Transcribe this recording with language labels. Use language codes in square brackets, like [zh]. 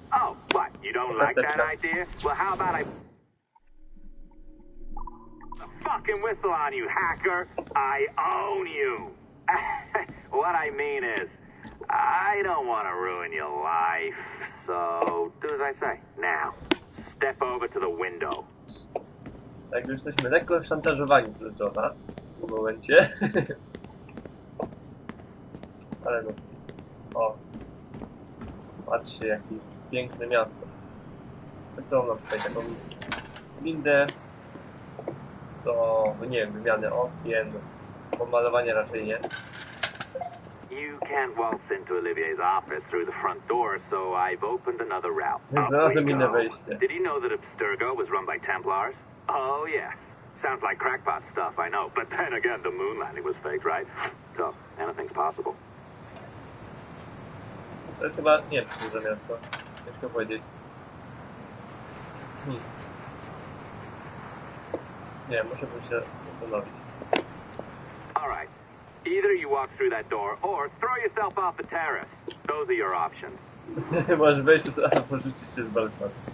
[en] Oh, what? You don't like that idea? Well, how about I... A fucking whistle on you, hacker! I own you! What I mean is, I don't want to ruin your life, so do as I say. Now, step over to the window. [pl] Tak, już jesteśmy lekko szantażowani przez Johna w momencie. Ale no. O. Patrzcie, jakie piękne miasto. Wyciągnął tutaj taką windę do, nie wiem, wymiany okien, pomalowanie raczej nie. [en] You can't waltz into Olivier's office through the front door, so I've opened another route. [pl] Znalazłem inne wejście. [en] Did you know that Abstergo was run by Templars? Oh, yes. Sounds like crackpot stuff, I know. But then again, the moon landing was faked, right? So, anything's possible. [pl] To jest chyba... nie, to jest miasto. Ciężko powiedzieć. Nie, muszę być się zastanowić. [en] Alright. Either you walk through that door, or throw yourself off the terrace. Those are your options. [pl] Możesz wejść tu, ale porzucić się z balkonu.